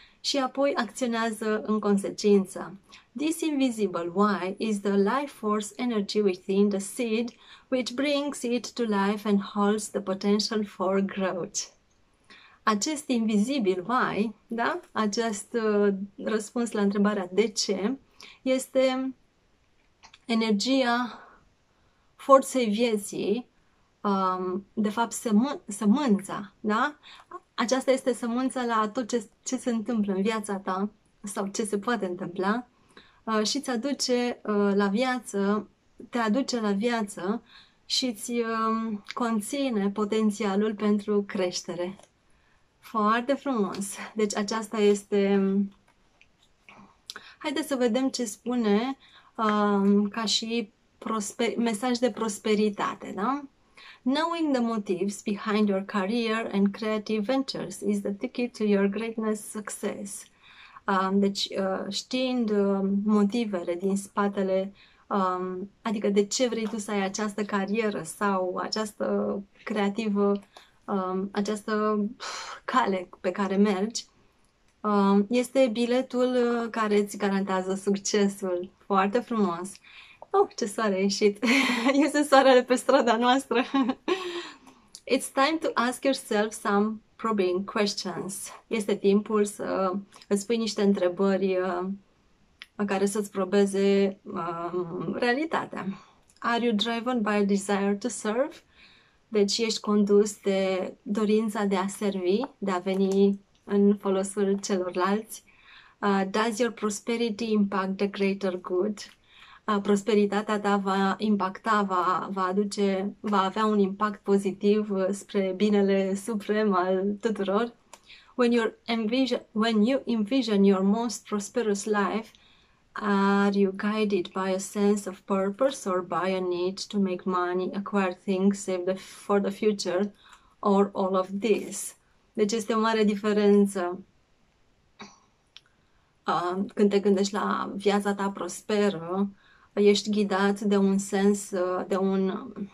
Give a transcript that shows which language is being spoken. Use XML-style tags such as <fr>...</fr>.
<ro>și apoi acționează în consecință.</ro> <en>This invisible why is the life force energy within the seed, which brings it to life and holds the potential for growth.</en> <ro>Acest invizibil why, da? Acest răspuns la întrebarea de ce, este energia forței vieții, de fapt sămânța, da? Aceasta este sămânța la tot ce se întâmplă în viața ta sau ce se poate întâmpla și îți aduce la viață, te aduce la viață și îți conține potențialul pentru creștere. Foarte frumos! Deci aceasta este... Haideți să vedem ce spune ca și mesaj de prosperitate, da?</ro> <en>Knowing the motives behind your career and creative ventures is the ticket to your greatness success.</en> <ro>Deci știind motivele din spatele, adică de ce vrei tu să ai această carieră sau această creativă, această cale pe care mergi, este biletul care îți garantează succesul. Foarte frumos! Oh, ce soare a ieșit! Este soarele pe strada noastră!</ro> <en>It's time to ask yourself some probing questions.</en> <ro>Este timpul să îți pui niște întrebări care să-ți probeze realitatea.</ro> <en>Are you driven by a desire to serve?</en> <ro>Deci ești condus de dorința de a servi, de a veni în folosul celorlalți.</ro> <en>Does your prosperity impact the greater good?</en> <ro>Prosperitatea ta va impacta, va avea un impact pozitiv spre binele suprem al tuturor.</ro> <en>When you envision your most prosperous life, are you guided by a sense of purpose or by a need to make money, acquire things, save for the future, or all of this?</en> <ro>Deci este o mare diferență când te gândești la viața ta prosperă. Ești ghidat de un sens, de un...</ro>